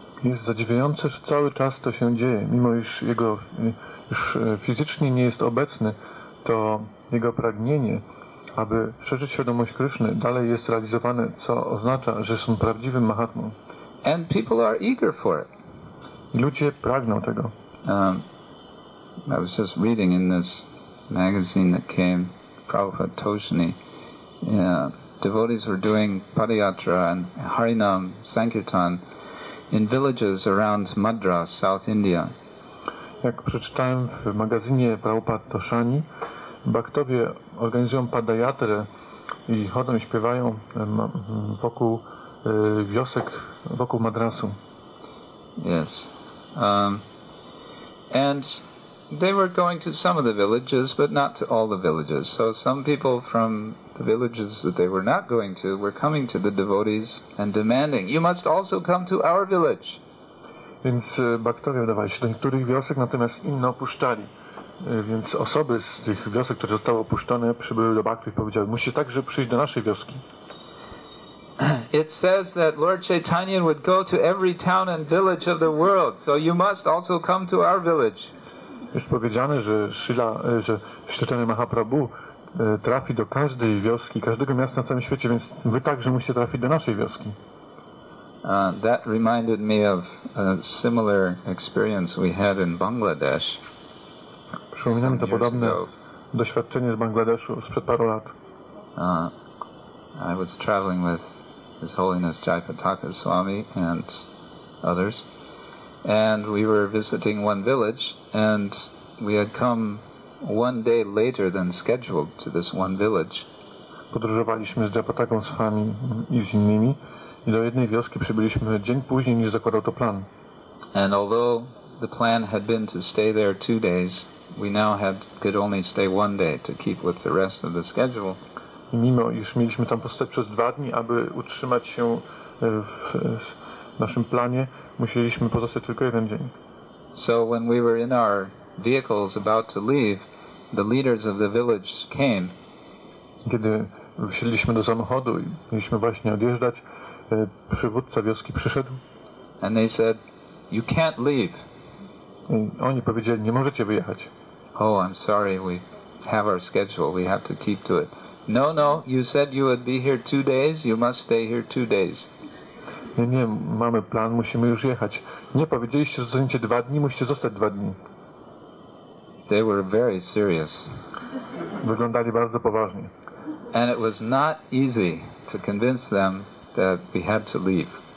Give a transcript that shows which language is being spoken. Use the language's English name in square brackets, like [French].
[Polish] Jest zadziwiające, że cały czas to się dzieje, mimo iż jego już fizycznie nie jest obecny. To jego pragnienie, aby szerzyć świadomość Kryszny, dalej jest realizowane, co oznacza, że są prawdziwym Mahatmą. [English] And people are eager for it. [Polish] I ludzie pragną tego. [English] I was just reading in this magazine that came, Prabhupada Toshini. Devotees were doing Padayatra and Harinam Sankirtan in villages around Madras, South India. [Polish] Jak przeczytałem w magazynie Prabhupada Toshini, Bhaktowie organizują padajatrę i chodzą i śpiewają wokół wiosek, wokół Madrasu. [English] Yes. And they were going to some of the villages, but not to all the villages. So some people from the villages that they were not going to were coming to the devotees and demanding, you must also come to our village. [Polish] Więc Bhaktowie udawali się do niektórych wiosek, natomiast inne opuszczali. Więc osoby z tych wiosek, które zostały opuszczone, przybyły do Bhakti i powiedziały, musisz także przyjść do naszej wioski. [English] It says that Lord Chaitanya would go to every town and village of the world, so you must also come to our village. [Polish] Jest powiedziane, że Chaitanya Mahaprabhu trafi do każdej wioski, każdego miasta na całym świecie, więc wy także musicie trafić do naszej wioski. [English] That reminded me of a similar experience we had in Bangladesh. [Polish] Przypominam to podobne doświadczenie z Bangladeszu sprzed paru lat. [English] I was traveling with His Holiness Jaipataka Swami and others, and we were visiting one village, and we had come one day later than scheduled to this one village. [Polish] Podróżowaliśmy z Jaipataką Swami i z innymi i do jednej wioski przybyliśmy dzień później niż zakładał to plan. [English] And although the plan had been to stay there 2 days, we now had could only stay one day to keep with the rest of the schedule. [Polish] I mimo iż mieliśmy tam pozostać przez 2 dni, aby utrzymać się w naszym planie, musieliśmy pozostać tylko 1 dzień. [English] So when we were in our vehicles about to leave, the leaders of the village came. [Polish] Kiedy wsiedliśmy do samochodu i mieliśmy właśnie odjeżdżać, przywódca wioski przyszedł. [English] And they said, "You can't leave." [Polish] I oni powiedzieli, nie możecie wyjechać. [English] Oh, I'm sorry, we have our schedule, we have to keep to it. No, no, you said you would be here 2 days, you must stay here 2 days. [Polish] Nie, nie, mamy plan, musimy już jechać. Nie, powiedzieliście, że zostaniecie 2 dni, musicie zostać 2 dni. [English] They were very serious. [Polish] Wyglądali bardzo poważnie. [English] And it was not easy to convince them that we had to leave.